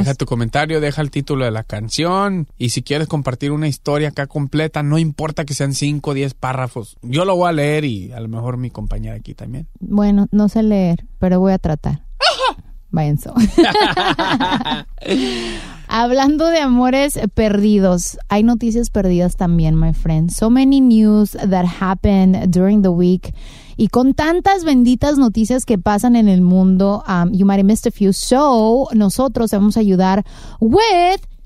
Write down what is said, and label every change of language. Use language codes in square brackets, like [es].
[es] Deja tu comentario, deja el título de la canción, y si quieres compartir una historia acá completa, no importa que sean 5 o 10 párrafos, yo lo voy a leer y a lo mejor mi compañera aquí también. Bueno, no sé leer, pero voy a tratar. Váyanse. Hablando de amores perdidos, hay noticias perdidas también, [en] my friend. So many news that happened during the week. [es] Y con tantas benditas noticias que pasan en el mundo, [en] you might have missed a few. [es] So, nosotros vamos a ayudar [en] with...